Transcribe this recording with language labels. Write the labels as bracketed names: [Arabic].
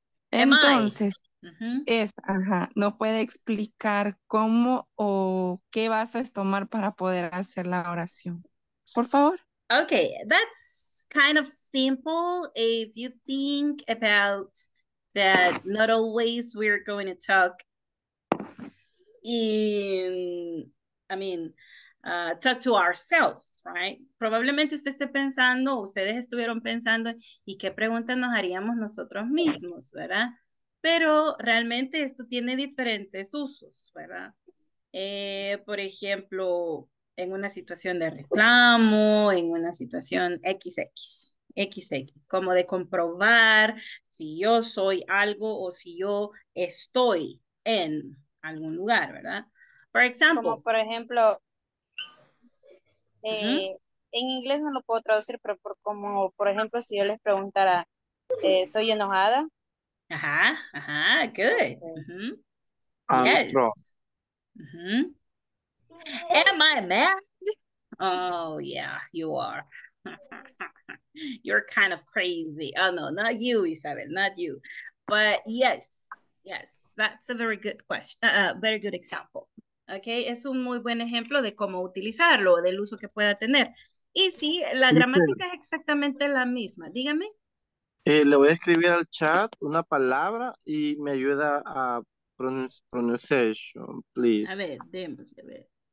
[Spanish] Entonces, no puede explicar cómo o qué vas a tomar para poder hacer la oración. Por favor. [English] Okay, that's kind of simple. If you think about that, not always we're going to talk in, talk to ourselves, right? [Spanish] Probablemente usted esté pensando, ustedes estuvieron pensando, ¿y qué pregunta nos haríamos nosotros mismos, verdad? Pero realmente esto tiene diferentes usos, ¿verdad? Por ejemplo, en una situación de reclamo, en una situación XX, como de comprobar si yo soy algo o si yo estoy en algún lugar, ¿verdad? [English] For example, [Spanish] como por ejemplo, en inglés no lo puedo traducir, pero por, como por ejemplo, si yo les preguntara, ¿soy enojada? [English] Good. Mm-hmm. Yes. Mm-hmm. Am I mad? Oh, yeah, you are. You're kind of crazy. Oh, no, not you, Isabel, not you. But yes, that's a very good question, very good example. [Spanish] Okay, es un muy buen ejemplo de cómo utilizarlo, del uso que pueda tener. Y sí, la gramática es exactamente la misma. Dígame. Le voy a escribir al chat una palabra y me ayuda a [English] pronunciation, please. [Spanish] A ver, démosle, a ver.